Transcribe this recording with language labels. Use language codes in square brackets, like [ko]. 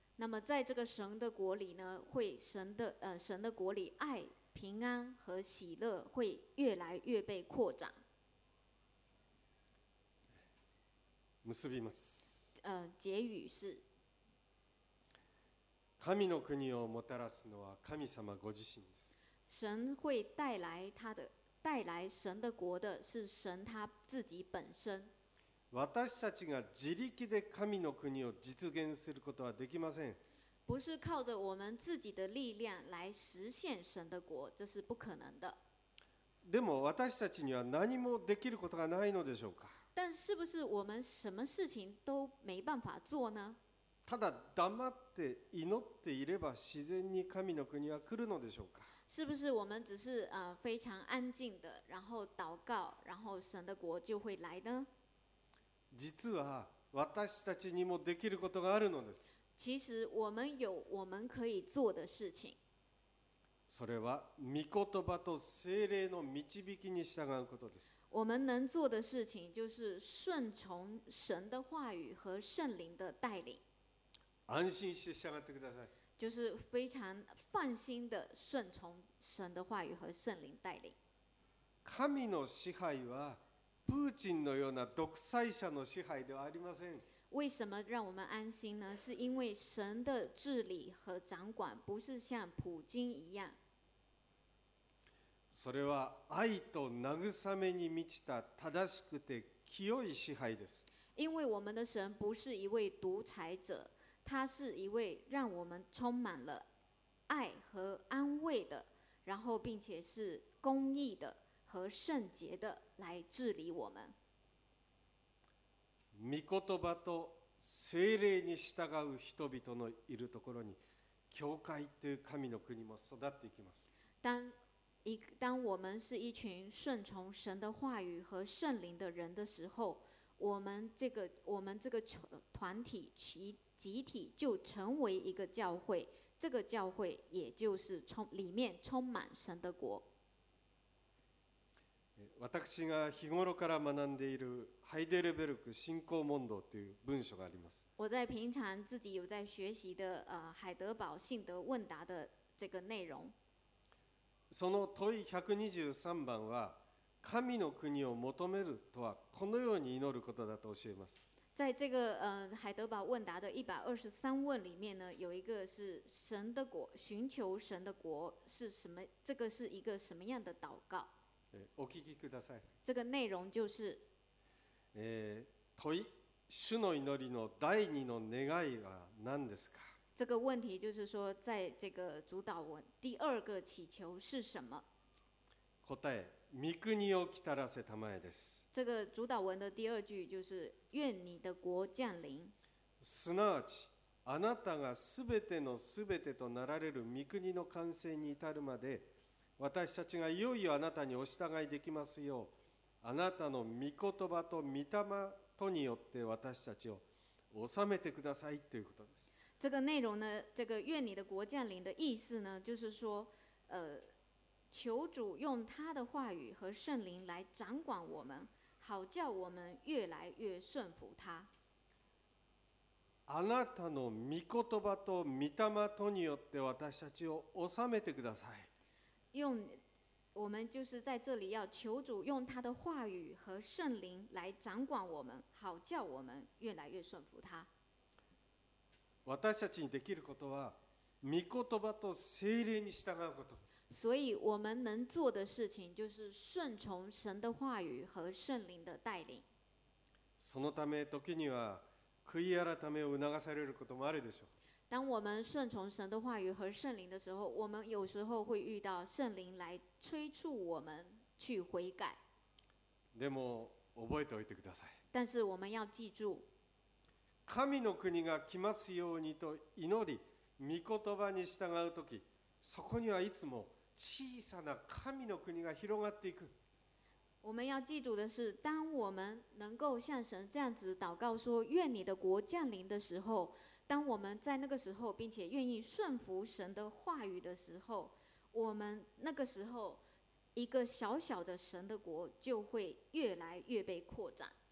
[zh] 那么在这个神的国里呢，会神的国里爱、平安和喜乐会越来越被扩展。 [ja] 結びます。 [zh] 结语是： [ja] 神の国をもたらすのは神様ご自身。 [zh] 神会带来他的带来神的国的是神他自己本身。 [ja] 私たちが自力で神の国を実現することはできません。 [zh] 不是靠着我们自己的力量来实现神的国，这是不可能的。 [ja] でも私たちには何もできることがないのでしょうか。 [zh] 但是不是我们什么事情都没办法做呢？ [ja] ただ黙って祈っていれば自然に神の国は来るのでしょうか。 [zh] 是不是我们只是非常安静的，然后祷告，然后神的国就会来呢？ [ja] 実は私たちにもできることがあるのです。 [zh] 其实我们有我们可以做的事情。 [ja] それは御言葉と聖霊の導きに従うことです。 [zh] 我们能做的事情就是顺从神的话语和圣灵的带领。 [ja] 安心して従ってください。 [zh] 就是非常放心的顺从神的话语和圣灵带领。 [ja] 神の支配はプーチンのような独裁者の支配ではありません。 [zh] 为什么让我们安心呢？是因为神的治理和掌管不是像普京一样。 [ja] それは愛と慰めに満ちた正しくて清い支配です。 [zh] 因为我们的神不是一位独裁者，他是一位让我们充满了爱和安慰的，然后并且是公义的和圣洁的来治理我们。 [ja] 御言葉と聖霊に従う人々のいるところに教会という神の国も育っていきます。 [zh] 当我们是一群顺从神的话语和圣灵的人的时候，我们这个团体集体就成为一个教会，这个教会也就是里面充满神的国。 [ja] 私が日頃から学んでいるハイデルベルク信仰問答という文書があります。 [zh] 我在平常自己有在学习的海德堡信德问答的这个内容。 [ja] その問い123番は神の国を求めるとはこのように祈ることだと教えます。 [zh] 在这个海德堡问答的123问里面呢，有一个是神的国，寻求神的国是什么？这个是一个什么样的祷告？ [ja] お聞きください。 [zh] 这个内容就是、 [ja] 問い、主の祈りの第二の願いは何ですか？ [zh] 这个问题就是说，在这个主导文第二个祈求是什么？ [ja] 答え、御国を来たらせたまえです。 [zh] 这个主导文的第二句就是愿你的国降临。 [ja] すなわち、あなたがすべてのすべてとなられる御国の完成に至るまで。私たちがいよいよあなたにお従いできますよう、あなたの御言葉と御霊とによって私たちを治めてくださいということです。 [zh] 这个内容呢，这个愿你的国降临的意思呢，就是说，求主用他的话语和圣灵来掌管我们，好叫我们越来越顺服他。 [ja] あなたの御言葉と御霊とによって私たちを治めてください。 [zh] 用我们就是在这里要求主用他的话语和圣灵来掌管我们，好叫我们越来越顺服他。 [ja] 私たちにできることは御言葉と聖霊に従うこと。 [zh] 所以我们能做的事情就是顺从神的话语和圣灵的带领。 [ja] そのため時には悔い改めを促されることもあるでしょう。 [zh] 当我们顺从神的话语和圣灵的时候，我们有时候会遇到圣灵来催促我们去悔改。 [ja] でも覚えておいてください。 [zh] 但是我们要记住。 [ja] 神の国が来ますようにと祈り、御言葉に従うとき、そこにはいつも小さな神の国が広がっていく。 [zh] 我们要记住的是，当我们能够像神这样子祷告说“愿你的国降临”的时候。当我们在那个时候，并且愿意顺服神的话语的时候，我们那个时候，一个小小的神的国就会越来越被扩展。